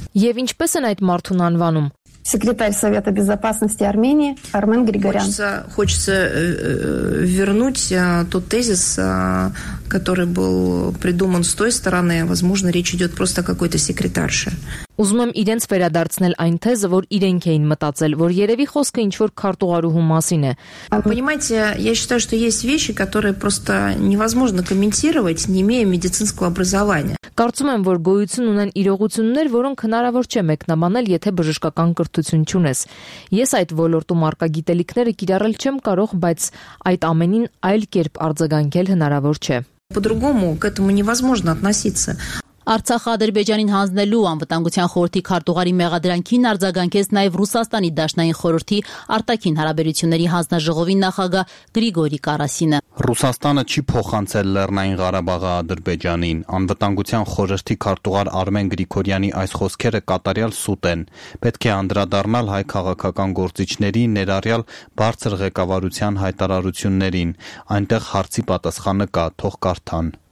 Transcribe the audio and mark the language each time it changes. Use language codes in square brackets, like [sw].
[hy] Եվ ինչպես են այդ մարդուն անվանում? [ru] Секретарь Совета Безопасности Армении Армен Григорян. Хочется вернуть тот тезис, который был придуман с той стороны. Возможно, речь идет просто о какой-то секретарше. [hy] Ուզում եմ իրենց վերադարձնել այն թեզը, որ իրենք էին մտածել, որ երևի խոսքը ինչ-որ քարտուղարուհու մասին է։ [ru] Понимаете, я считаю, что есть вещи, которые просто невозможно комментировать, не имея медицинского образования. [hy] Կարծում եմ, որ գոյություն ունեն իրողություններ, որոնք հնարավոր չէ մեկնաբանել, եթե բժշկական կրթություն չունես։ Ես այդ ոլորտում արկագիտելիքները կիրառել չեմ կարող, բայց այդ ամենին այլ կերպ արձագանքել հնարավոր չէ։ [ru] По-другому к этому невозможно относиться. [hy] Արցախը Ադրբեջանին հանձնելու անվտանգության խորհրդի քարտուղարի մեղադրանքին արձագանքեց նաև Ռուսաստանի Դաշնային խորհրդի արտաքին հարաբերությունների հանձնաժողովի նախագահ Գրիգորի Կարասինը։ Ռուսաստանը չի փոխանցել Լեռնային Ղարաբաղը Ադրբեջանին։ Անվտանգության խորհրդի քարտուղար Արմեն Գրիգորյանի այս խոսքերը կատարյալ սուտ են։ Պետք է անդրադառնալ հայ քաղաքական գործիչների ներառյալ բարձր ղեկավարության հայտարարություններին, այնտեղ հարցի պատասխանը կա, թող կարդան։